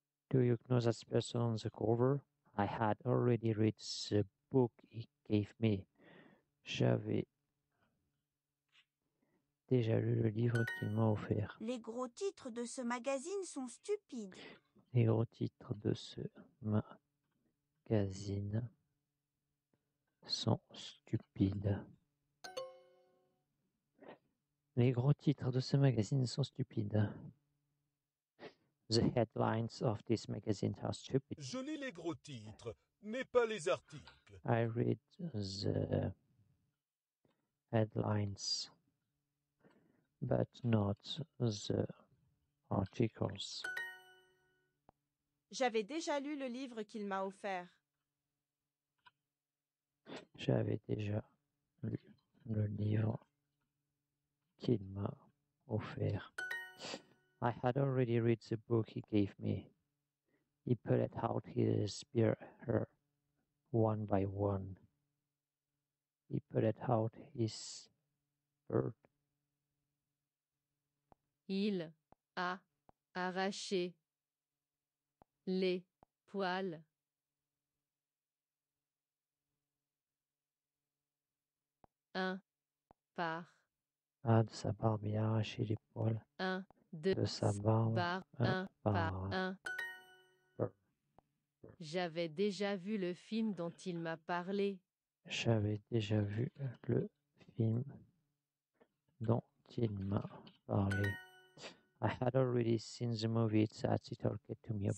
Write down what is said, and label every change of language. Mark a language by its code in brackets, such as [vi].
[en] Do you know that person on the cover? I had already read the book he gave me. [fr] J'avais déjà lu le livre qu'il m'a offert. Les gros titres de ce magazine sont stupides. Les gros titres de ce magazine sont stupides. Les gros titres de ce magazine sont stupides. [en] The headlines of this magazine are stupid. [fr] Je lis les gros titres, mais pas les articles. [en] I read the headlines. But not the articles. [fr] J'avais déjà lu le livre qu'il m'a offert. J'avais déjà lu le livre qu'il m'a offert. [en] I had already read the book he gave me. He pulled out his spear her one by one. He pulled out his spear. [fr] Il a arraché les poils un par un de sa barbe. Il a arraché les poils un de sa barbe par un par un. J'avais déjà vu le film dont il m'a parlé. J'avais déjà vu le film dont il m'a parlé. [en] I had already seen the movie that he talked to me about.